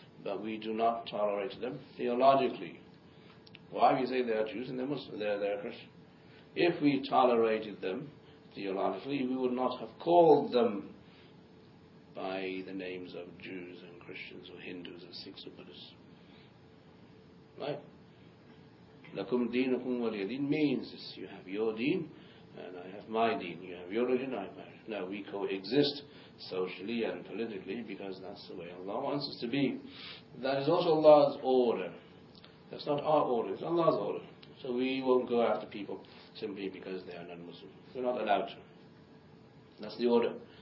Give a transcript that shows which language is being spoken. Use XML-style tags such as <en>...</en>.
<en>But we do not tolerate them theologically. Why do you say they are Jews and they are Muslims? They are Christians. If we tolerated them theologically, we would not have called them by the names of Jews and Christians or Hindus or Sikhs or Buddhists. Right?</en> <ar>لَكُمْ دِينُكُمْ وَلِيَدِينَ</ar> <en>means this. You have your deen and I have my deen. You have your religion, I have my religion. Now we coexist socially and politically because that's the way Allah wants us to be. That is also Allah's order. That's not our order, it's Allah's order. So we won't go after people simply because they are non-Muslim. We're not allowed to. That's the order.</en>